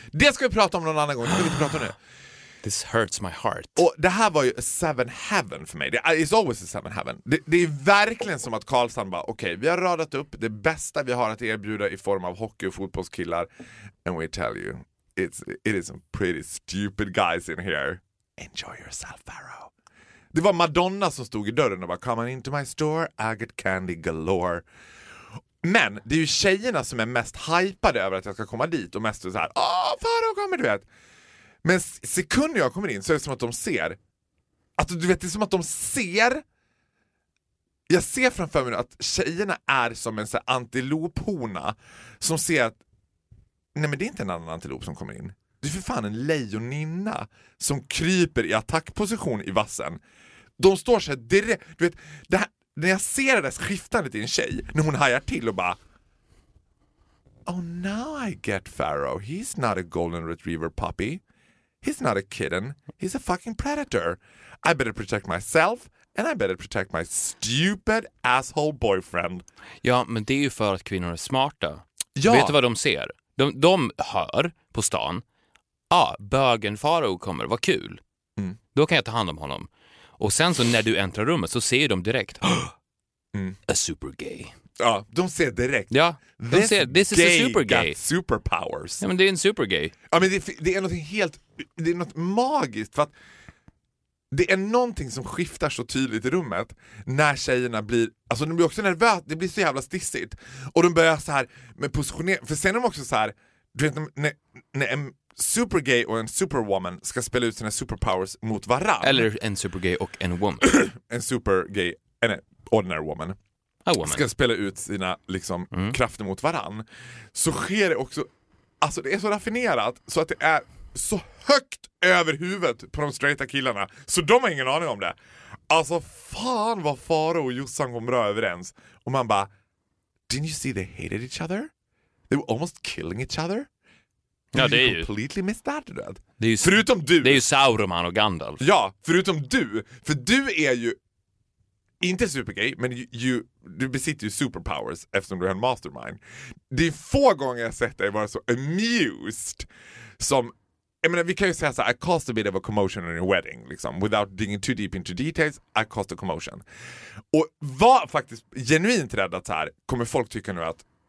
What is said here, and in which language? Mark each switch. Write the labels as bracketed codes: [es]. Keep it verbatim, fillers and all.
[sv] Det ska vi prata om någon annan gång. Det ska vi inte prata om nu. [en] This hurts my heart. [sv] Och det här var ju [en] a seven heaven [sv] för mig. Det är, [en] it's always a seven heaven. [sv] Det, det är verkligen som att Karlsson bara, okej, okay, vi har radat upp det bästa vi har att erbjuda i form av hockey- och fotbollskillar. [en] And we tell you, it's, it is some pretty stupid guys in here. Enjoy yourself, Pharaoh. [sv] Det var Madonna som stod i dörren och bara [en] come on into my store, I get candy galore. [sv] Men det är ju tjejerna som är mest hypade över att jag ska komma dit och mest så här, åh, Pharaoh kommer, du vet. Men sekunder jag kommer in så är det som att de ser att, du vet, det är som att de ser. Jag ser framför mig att tjejerna är som en så här antilophona som ser att nej, men det är inte en annan antilop som kommer in. Det är för fan en lejoninna som kryper i attackposition i vassen. De står så här direkt. Du vet, det här, när jag ser det där skiftandet i en tjej, när hon hajar till och bara [en] oh, now I get Pharaoh. He's not a golden retriever puppy. He's not a kitten. He's a fucking predator. I better protect myself and I better protect my stupid asshole boyfriend. [sv] Ja, men det är ju för att kvinnor är smarta. Ja. Vet du vad de ser? De, de hör på stan. Ja, ah, bögen Faro kommer, vad kul. Mm. Då kan jag ta hand om honom. Och sen så när du äntrar rummet så ser de direkt mm. [en] a supergay. [sv] Ja, de ser direkt. Ja, de ser [en] this is a supergay. Superpowers. [sv] Ja, men det är en supergay. Ja, men det, det är något helt, det är något magiskt för att det är någonting som skiftar så tydligt i rummet när tjejerna blir, alltså de blir också nervösa, det blir så jävla stissigt och de börjar så här med positionering, för sen är de också så här, du vet när, när en supergay och en superwoman ska spela ut sina superpowers mot varann. Eller en supergay och en woman. En supergay, en [en] ordinary woman. A woman. [sv] Ska spela ut sina liksom, mm. krafter mot varann. Så sker det också, alltså det är så raffinerat så att det är så högt över huvudet på de straighta killarna. Så de har ingen aning om det. Alltså fan vad Faro och Jossan kom bra överens. Och man bara, [en] didn't you see they hated each other? They were almost killing each other? [sv] Ja, [en] you [sv] det är ju... [en] completely missed that, that. [sv] Det är ju... Förutom du. Det är ju Sauron och Gandalf. Ja, förutom du. För du är ju inte supergay, men ju, ju, du besitter ju superpowers eftersom du är en mastermind. Det är få gånger jag sett dig vara så amused som... Jag menar, vi kan ju säga så här, [en] I caused a bit of a commotion in your wedding, [sv] liksom. [en] Without digging too deep into details, I caused a commotion. [sv] Och var faktiskt genuint rädd att så här, kommer folk tycka nu att...